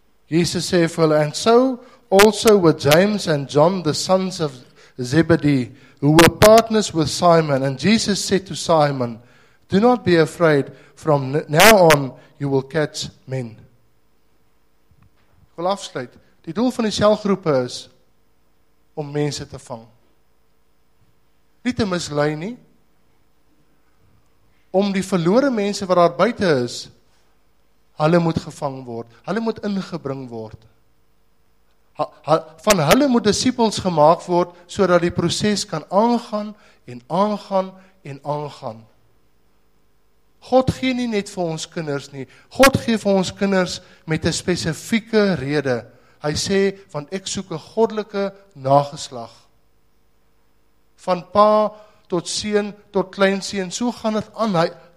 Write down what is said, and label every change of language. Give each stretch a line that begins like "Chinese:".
Afrikaans: Jesus sê vir hulle,
English: and so also with James and John, the sons of Zebedee, who were partners with Simon, and Jesus said to Simon, do not be afraid, from now on you will catch men.
Afrikaans: Ek wil afsluit, die doel van die selgroepe is, om mense te vang. Nie te mislei nie, om die verlore mense wat daar buite is, hulle moet gevang word, hulle moet ingebring word. Van hulle moet disippels gemaak word, sodat die proses kan aangaan, en aangaan, en aangaan. God gee nie net vir ons kinders nie, God gee vir ons kinders met 'n spesifieke rede. Hy sê, want ek soek 'n goddelike nageslag. Van pa tot seun tot kleinseun, so gaan dit aan.